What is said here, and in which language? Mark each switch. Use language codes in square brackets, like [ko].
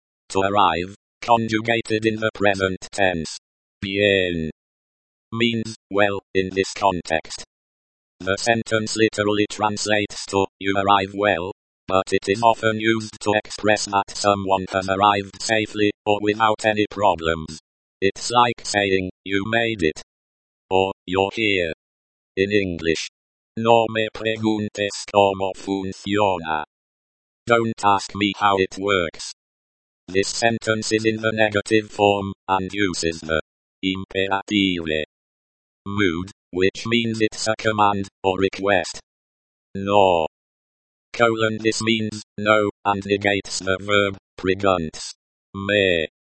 [en] To arrive, conjugated in the present tense, bien, means well in this context. The sentence literally translates to, you arrive well, but it is often used to express that someone has arrived safely or without any problems. It's like saying, you made it. Or, you're here. In English. [es] No me preguntes cómo funciona. [en] Don't ask me how it works. This sentence is in the negative form and uses the imperative mood, which means it's a command or request. No. Colon this means no and negates the verb preguntes. Me.